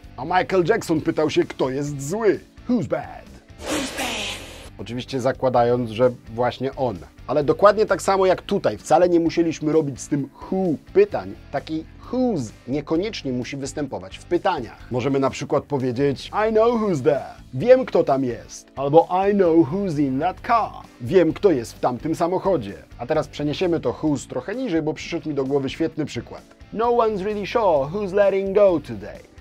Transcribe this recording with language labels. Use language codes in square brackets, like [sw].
[pl] A Michael Jackson pytał się, kto jest zły? [en] Who's bad? Who's bad? [pl] Oczywiście zakładając, że właśnie on. Ale dokładnie tak samo jak tutaj, wcale nie musieliśmy robić z tym who pytań, taki whose niekoniecznie musi występować w pytaniach. Możemy na przykład powiedzieć [en] I know who's there. [pl] Wiem, kto tam jest. [en] Albo I know who's in that car. [pl] Wiem, kto jest w tamtym samochodzie. A teraz przeniesiemy to who's trochę niżej, bo przyszedł mi do głowy świetny przykład. [en] No one's really sure who's letting go today.